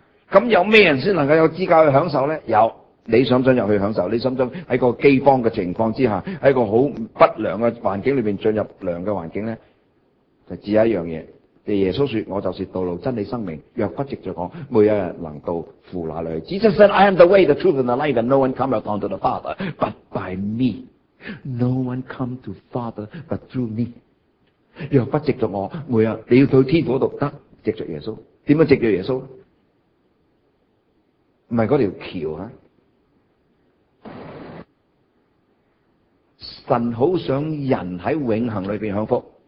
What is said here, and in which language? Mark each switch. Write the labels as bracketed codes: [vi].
[yue] 咁有咩人先能够有资格去享受呢？有，你想唔想入去享受？你想唔想喺个饥荒嘅情况之下，喺个好不良嘅环境里面进入良嘅环境呢？就只有一样嘢，耶稣说：我就是道路、真理、生命。若不藉着我，没有人能到父那里去。 [en] Jesus said, I am the way, the truth, and the life, and no one cometh unto the Father but by me. No one come to Father but through me. [yue] 若不藉着我，没有你要到天父嗰度得，藉着耶稣。点样藉着耶稣？唔係嗰條橋啊！神好想人喺永恆裏面享福。